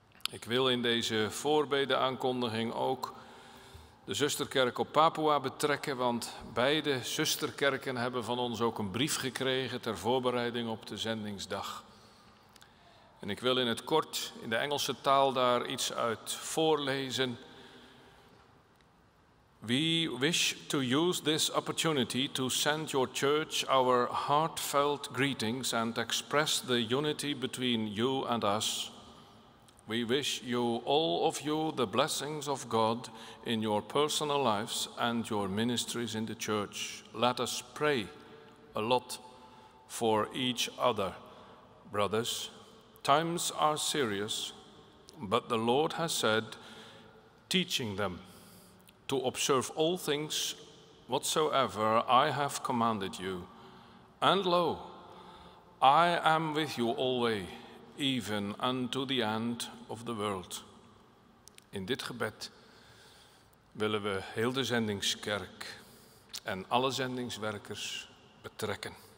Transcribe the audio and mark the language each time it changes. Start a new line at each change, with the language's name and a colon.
Dutch: Ik wil in deze voorbedenaankondiging ook de zusterkerk op Papua betrekken, want beide zusterkerken hebben van ons ook een brief gekregen ter voorbereiding op de zendingsdag. En ik wil in het kort in de Engelse taal daar iets uit voorlezen.
English: We wish to use this opportunity to send your church our heartfelt greetings and express the unity between you and us. We wish you, all of you, the blessings of God in your personal lives and your ministries in the church. Let us pray a lot for each other, brothers. Times are serious, but the Lord has said, teaching them to observe all things whatsoever I have commanded you. And lo, I am with you always, even unto the end of the world.
Dutch: In dit gebed willen we heel de zendingskerk en alle zendingswerkers betrekken.